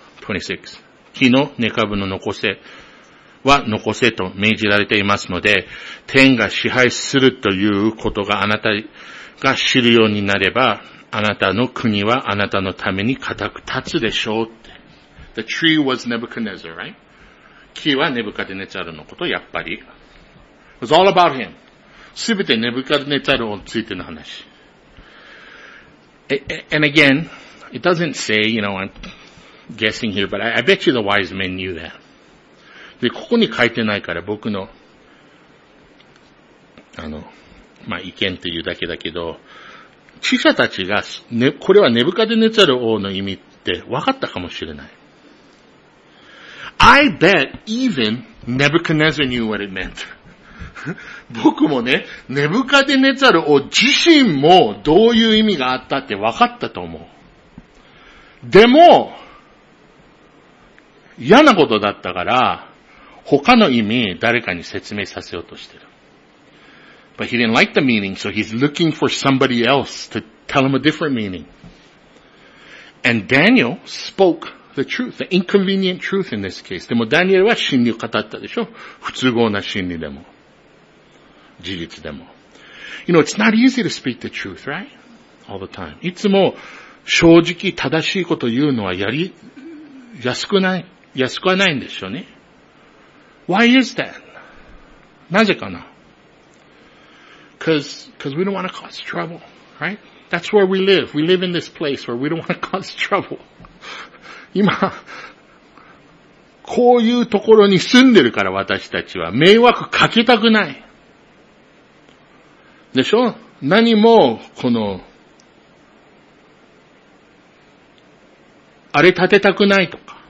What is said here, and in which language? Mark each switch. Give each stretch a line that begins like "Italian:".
Japanese: 26. 木の根株の残せ、は残せと命じられていますので、天が支配するということがあなたが知るようになれば、あなたの国はあなたのために固く立つでしょうって。
English: The tree was Nebuchadnezzar, right?
Japanese: 木はネブカデネツァルのこと、やっぱり。
English: It was all about him.
Japanese: すべてネブカデネツァルについての話。
English: And again, it doesn't say, you know, I'm guessing here, but I bet you the wise men knew that.
Japanese: で、ここに書いてないから僕の、まあ、意見っていうだけだけど、知者たちが、ね、これはネブカデネツァル王の意味って分かったかもしれない。
English: I bet even Nebuchadnezzar knew what it meant.
Japanese: 僕もね、ネブカデネツァル王自身もどういう意味があったって分かったと思う。でも、嫌なことだったから、他の意味誰かに説明させようとしてる。
English: But he didn't like the meaning, so he's looking for somebody else to tell him a different meaning. And Daniel spoke the truth, the inconvenient truth in this case.
Japanese: でもダニエルは真理を語ったでしょ。不都合な真理でも、事実でも。
English: You know, it's not easy to speak the truth, right? All the time.
Japanese: いつも正直正しいこと言うのはやりやすくはないんでしょうね。
English: Why is that?
Japanese: なぜかな?
English: Because we don't want to cause trouble, right? That's where we live. We live in this place where we don't want to cause trouble.
Japanese: 今、こういうところに住んでるから私たちは迷惑かけたくない。でしょ?何もこの、あれ立てたくないとか。